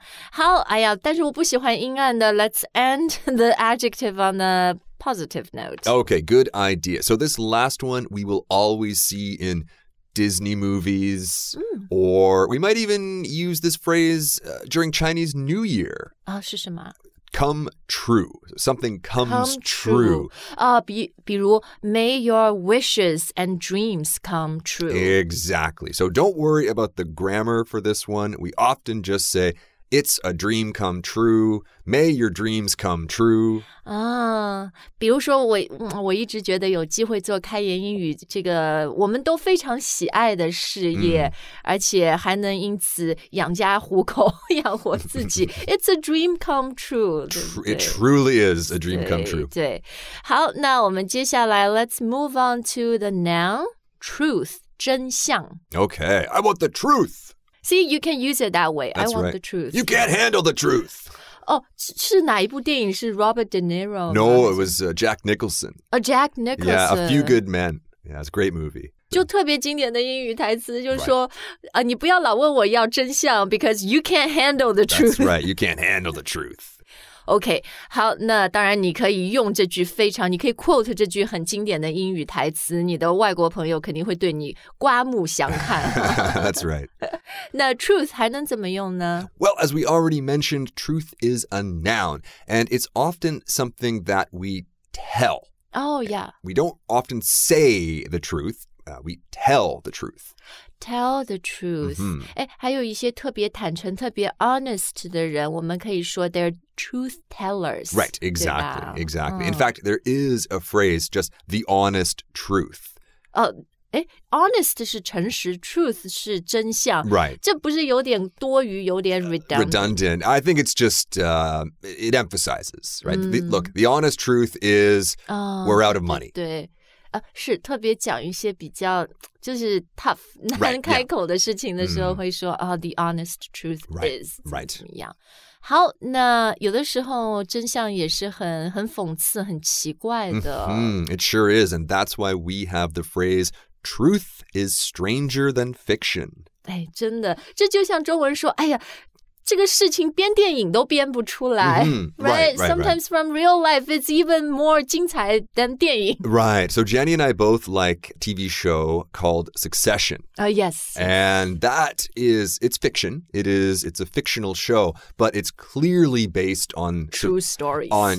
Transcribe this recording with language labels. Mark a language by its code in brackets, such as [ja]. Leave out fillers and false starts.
[zh] 好，哎呀，但是我不喜欢阴暗的。 [en] Let's end the adjective on the positive note. Okay, good idea. So this last one we will always see in Disney movies, or we might even use this phrase during Chinese New Year. [zh] 是什么？ [en] Come true. Something comes true. 比如 may your wishes and dreams come true. Exactly. So don't worry about the grammar for this one. We often just say, it's a dream come true. May your dreams come true. [zh] 比如说我一直觉得有机会做开言英语这个我们都非常喜爱的事业、而且还能因此养家糊口养活自己。 [en] It's a dream come true. It truly is a dream come true. [zh] 对。好那我们接下来 [en] let's move on to the noun, truth, [zh] 真相。 [en] Okay, I want the truth. See, you can use it that way. That's I want right. the truth. You can't handle the truth. [zh] 是哪一部电影是 Robert De Niro? [en] No, it was Jack Nicholson. Jack Nicholson. Yeah, A Few Good Men. Yeah, it's a great movie. [zh] 就特别经典的英语台词就是说、right. 你不要老问我要真相 [en] because you can't handle the truth. That's right, you can't handle the truth. [zh] OK, 好那当然你可以用这句非常你可以 quote 这句很经典的英语台词你的外国朋友肯定会对你刮目相看。 [en] That's right. [zh] 那 truth 还能怎么用呢? [en] Well, as we already mentioned, truth is a noun, and it's often something that we tell. Oh, yeah. We don't often say the truth, we tell the truth. Tell the truth. [zh] 还有一些特别坦诚特别 honest 的人我们可以说 [en] they're truth tellers. Right, exactly. In fact, there is a phrase, just the honest truth. [zh] Honest 是诚实 truth 是真相。 [en] Right. [zh] 这不是有点多余有点 redundant. [en] I think it's just, it emphasizes, right? Look, the honest truth is we're out of money. [zh] 对。是特别讲一些比较就是 tough 难开口的事情的时候会说 [en] the honest truth is [zh] 怎么样好那有的时候真相也是很讽刺很奇怪的 [en] It sure is and that's why we have the phrase truth is stranger than fiction [zh] 哎真的这就像中文说哎呀这个事情编电影都编不出来、 [en] right? Sometimes from real life, it's even more [zh] 精彩 [en] than [zh] 电影 [en] Right, so Jenny and I both like a TV show called Succession. Yes. And that is, it's fiction. It's a fictional show, but it's clearly based on... True stories.